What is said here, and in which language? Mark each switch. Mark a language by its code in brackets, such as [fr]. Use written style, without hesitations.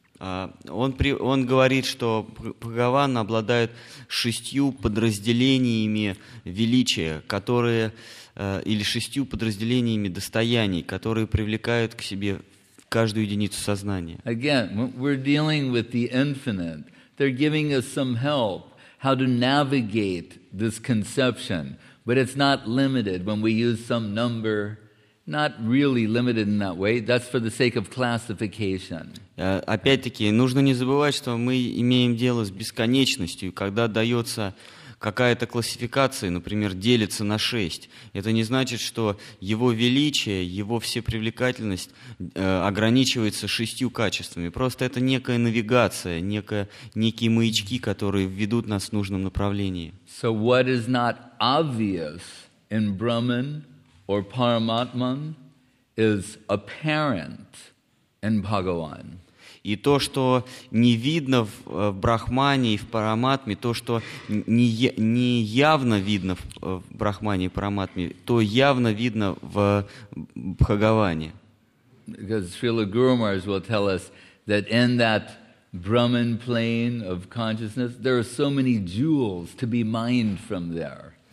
[ru] Он говорит, что Бхагаван обладает шестью подразделениями величия, которые, или шестью подразделениями достояний, которые привлекают к себе каждую единицу сознания. [en] Again, we're dealing with the infinite. They're giving us some help how to navigate this conception, but it's not limited when we use some number, not really limited in that way. That's for the sake of classification. [ru] Опять-таки, нужно не забывать, что мы имеем дело с бесконечностью, когда дается какая-то классификация, например, делится на шесть, это не значит, что его величие, его всепривлекательность ограничивается шестью качествами. Просто это некая навигация, некие маячки, которые ведут нас в нужном направлении. [en] So what is not obvious in Brahman or Paramatman is apparent in Bhagavan. [ru] И то, что не видно в Брахмане и в Параматме, то, что не явно видно в Брахмане и Параматме, то явно видно в Бхагаване. [en] Because Srila Guru Maharaj will tell us that in that Brahman plane of consciousness, there are so many jewels to be mined from there.